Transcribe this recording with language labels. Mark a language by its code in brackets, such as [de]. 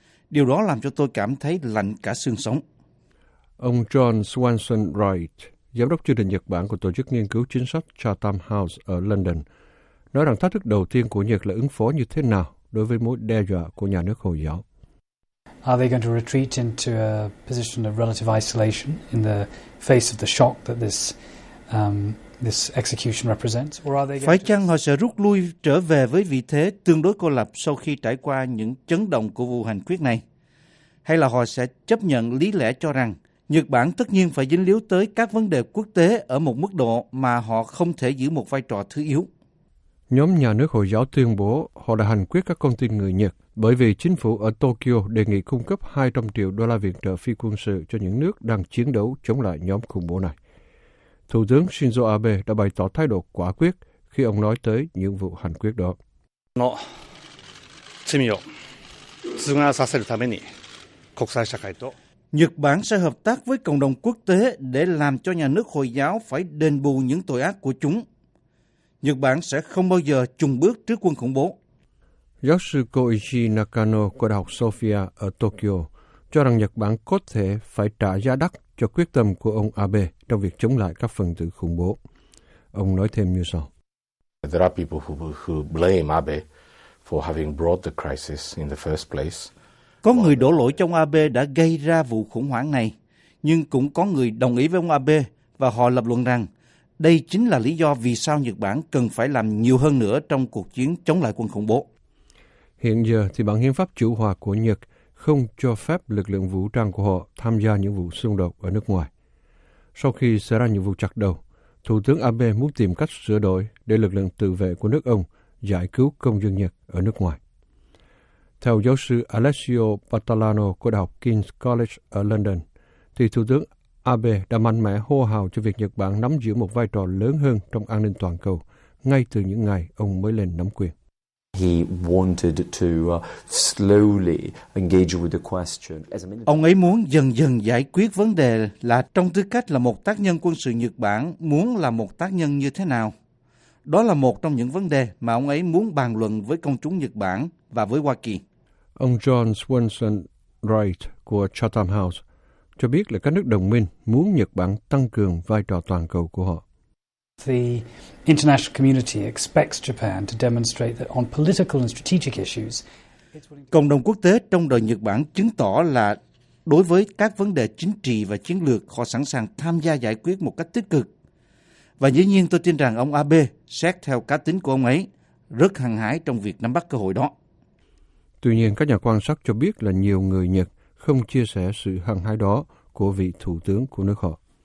[vi] Điều đó làm cho tôi cảm thấy lạnh cả xương sống. Ông John Swanson Wright, giám đốc chương trình Nhật Bản của Tổ chức Nghiên cứu Chính sách Chatham House ở London, nói rằng thách thức đầu tiên của Nhật là ứng phó như thế nào đối với mối đe dọa của nhà nước Hồi giáo. [en] Are they going to retreat into a position of relative isolation in the face of the shock that this execution represents, or are they? [vi] Phải chăng họ sẽ rút lui trở về với vị thế tương đối cô lập sau khi trải qua những chấn động của vụ hành quyết này, hay là họ sẽ chấp nhận lý lẽ cho rằng Nhật Bản tất nhiên phải dính líu tới các vấn đề quốc tế ở một mức độ mà họ không thể giữ một vai trò thứ yếu? Nhóm nhà nước Hồi giáo tuyên bố họ đã hành quyết các con tin người Nhật bởi vì chính phủ ở Tokyo đề nghị cung cấp 200 triệu đô la viện trợ phi quân sự cho những nước đang chiến đấu chống lại nhóm khủng bố này. Thủ tướng Shinzo Abe đã bày tỏ thái độ quả quyết khi ông nói tới những vụ hành quyết đó. Nó, Nhật Bản sẽ hợp tác với cộng đồng quốc tế để làm cho nhà nước Hồi giáo phải đền bù những tội ác của chúng. Nhật Bản sẽ không bao giờ chùng bước trước quân khủng bố. Giáo sư Koichi Nakano của Đại học Sophia ở Tokyo cho rằng Nhật Bản có thể phải trả giá đắt cho quyết tâm của ông Abe trong việc chống lại các phần tử khủng bố. Ông nói thêm như sau. [en] There are people who blame Abe for having brought the crisis in the first place. [vi] Có người đổ lỗi cho ông Abe đã gây ra vụ khủng hoảng này, nhưng cũng có người đồng ý với ông Abe và họ lập luận rằng đây chính là lý do vì sao Nhật Bản cần phải làm nhiều hơn nữa trong cuộc chiến chống lại quân khủng bố. Hiện giờ thì bản hiến pháp chủ hòa của Nhật không cho phép lực lượng vũ trang của họ tham gia những vụ xung đột ở nước ngoài. Sau khi xảy ra những vụ chặt đầu, Thủ tướng Abe muốn tìm cách sửa đổi để lực lượng tự vệ của nước ông giải cứu công dân Nhật ở nước ngoài. Theo giáo sư Alessio Battalano của Đại học King's College ở London, thì Thủ tướng Abe đã mạnh mẽ hô hào cho việc Nhật Bản nắm giữ một vai trò lớn hơn trong an ninh toàn cầu ngay từ những ngày ông mới lên nắm quyền. [en] He wanted to slowly engage with the question. [vi] Ông ấy muốn dần dần giải quyết vấn đề là trong tư cách là một tác nhân quân sự Nhật Bản muốn là một tác nhân như thế nào? Đó là một trong những vấn đề mà ông ấy muốn bàn luận với công chúng Nhật Bản và với Hoa Kỳ. Ông John Swenson Wright của Chatham House cho biết là các nước đồng minh muốn Nhật Bản tăng cường vai trò toàn cầu của họ. [en] The international community expects Japan to demonstrate that on political and strategic issues. [vi] Cộng đồng quốc tế trông đợi Nhật Bản chứng tỏ là đối với các vấn đề chính trị và chiến lược họ sẵn sàng tham gia giải quyết một cách tích cực. Và dĩ nhiên tôi tin rằng ông Abe, xét theo cá tính của ông ấy, rất hăng hái trong việc nắm bắt cơ hội đó. Tuy nhiên, các nhà quan sát cho biết là nhiều người Nhật không chia sẻ sự hăng hái đó của vị thủ tướng của nước họ.